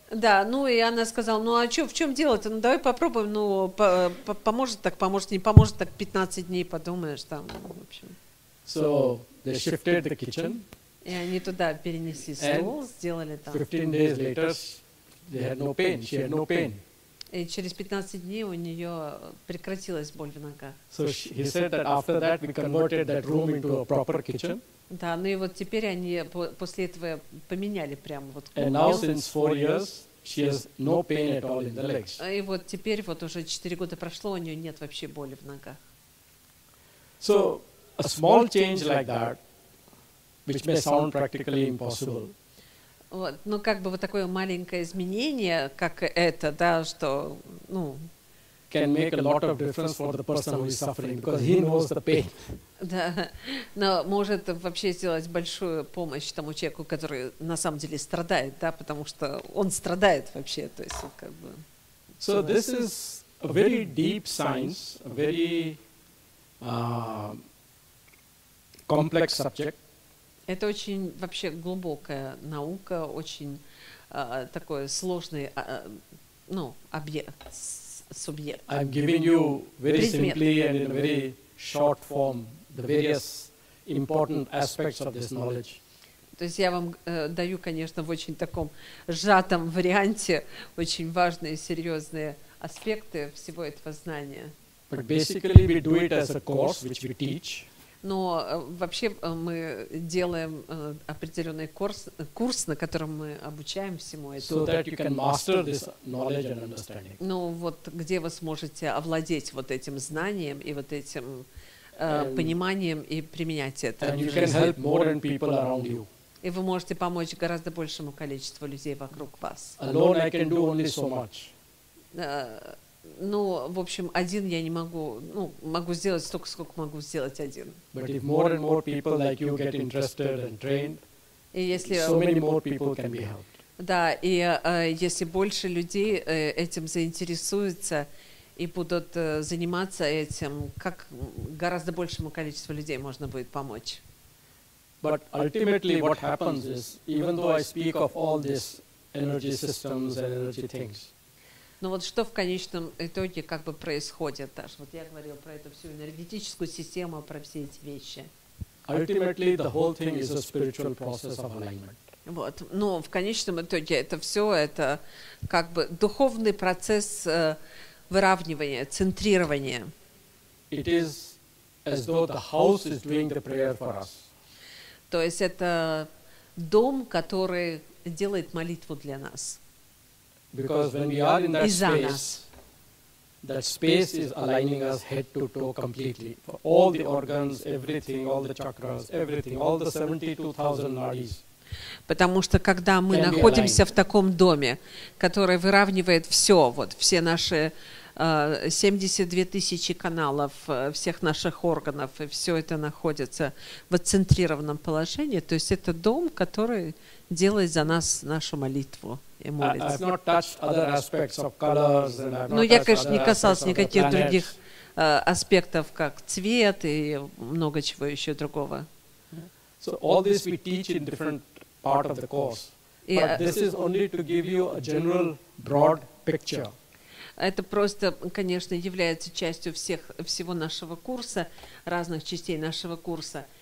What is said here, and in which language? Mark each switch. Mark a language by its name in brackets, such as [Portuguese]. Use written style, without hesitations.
[Russian] Да, ну и она сказала, ну а что, в чем дело-то? Ну давай попробуем, ну, поможет так, поможет, не поможет так, 15 дней подумаешь там, в общем. [English] So they shifted the kitchen. [Russian] И они туда перенесли стол, сделали там. [English] 15 days later, they had no pain, she had no pain. [Russian] И через 15 дней у нее прекратилась боль в ногах. [English] So he said that after that we converted that room into a proper kitchen. [Russian] Да, ну и вот теперь они после этого поменяли прямо вот. [English] And now since 4 years she has no pain at all in the legs. [Russian] И вот теперь вот уже 4 года прошло, у нее нет вообще боли в ногах. [English] So a small change like that, which may sound practically impossible. [Russian] Вот, ну, как бы вот такое маленькое изменение, как это, да, что, ну... [English] Can make a lot of difference for the person who is suffering, because he knows the pain. [Russian] Да, но может вообще сделать большую помощь тому человеку, который на самом деле страдает, да, потому что он страдает вообще, то есть он как бы... [English] So this is a very deep science, a very complex subject. [Russian] Это очень вообще глубокая наука, очень такой сложный объект, субъект. [English] I'm giving you very simply and in a very short form the various important aspects of this knowledge. [Russian] То есть я вам даю, конечно, в очень таком сжатом варианте очень важные и серьезные аспекты всего этого знания. [English] But basically we do it as a course which we teach. [Russian] Но вообще мы делаем определенный курс, курс, на котором мы обучаем всему этому. [English] So that you can master this knowledge and understanding. [Russian] Ну вот где вы сможете овладеть вот этим знанием и вот этим пониманием и применять это. [English] And you can help more than people around you. [Russian] И вы можете помочь гораздо большему количеству людей вокруг вас. [English] Alone I can do only so much. [Russian] Ну, в общем, один я не могу, ну, могу сделать столько, сколько могу сделать один. [English] But if more and more people like you get interested and trained, [Russian] и если, [English] so many more people can be helped. [Russian] Да, и если больше людей этим заинтересуются и будут заниматься этим, как гораздо большему количеству людей можно будет помочь. [English] But ultimately what happens is, even though I speak of all these energy systems and energy things, [Russian] но вот что в конечном итоге как бы происходит, Таш? Вот я говорил про эту всю энергетическую систему, про все эти вещи. [English] Ultimately, the whole thing is a spiritual process of alignment. [Russian] Вот. Но в конечном итоге это все, это как бы духовный процесс выравнивания, центрирования. [English] It is as though the house is doing the prayer for us. [Russian] То есть это дом, который делает молитву для нас. [English] Because when we are in that space, that space is aligning us head to toe completely. For all the organs, everything, all the chakras, everything, all the 72,000 nadis. [Russian] Потому что когда мы находимся в таком доме, который выравнивает все, вот все наши 72 тысячи каналов, всех наших органов, и все это находится в центрированном положении, то есть это дом, который делает за нас нашу молитву. Ну, я, конечно, не касался никаких других аспектов, как цвет и много чего еще другого. [English] So all this we teach in different part of the course. But this is only to give you a general broad picture. [Russian] Это просто, конечно, является частью всех, всего нашего курса, разных частей нашего курса.